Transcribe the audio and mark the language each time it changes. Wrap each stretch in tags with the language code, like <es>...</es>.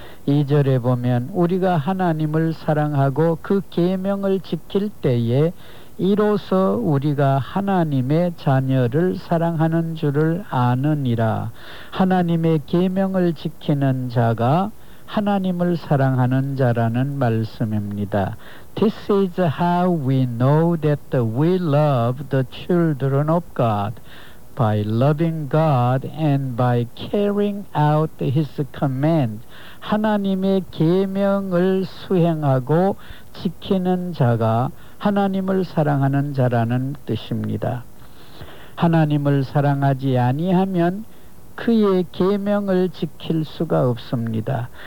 <ko>2절에 보면 우리가 하나님을 사랑하고 그 계명을 지킬 때에 이로써 우리가 하나님의 자녀를 사랑하는 줄을 아느니라. 하나님의 계명을 지키는 자가 하나님을 사랑하는 자라는 말씀입니다.</ko> <en>This is how we know that we love the children of God, by loving God and by carrying out His command.</en> <ko>하나님의 계명을 수행하고 지키는 자가 하나님을 사랑하는 자라는 뜻입니다. 하나님을 사랑하지 아니하면 그의 계명을 지킬 수가 없습니다.</ko>